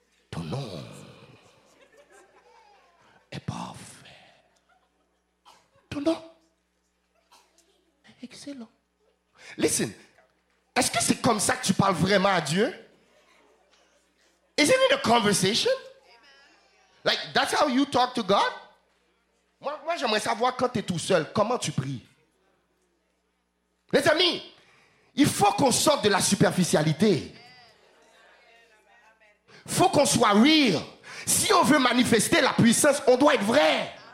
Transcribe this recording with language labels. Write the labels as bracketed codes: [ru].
[fr] Ton nom est parfait. Ton nom est excellent. [en] Listen, [fr] est-ce que c'est comme ça que tu parles vraiment à Dieu? [en] Isn't it a conversation? Like, that's how you talk to God? [fr] Moi j'aimerais savoir quand tu es tout seul, comment tu pries? Les amis, il faut qu'on sorte de la superficialité. Il faut qu'on soit real. Si on veut manifester la puissance, on doit être vrai.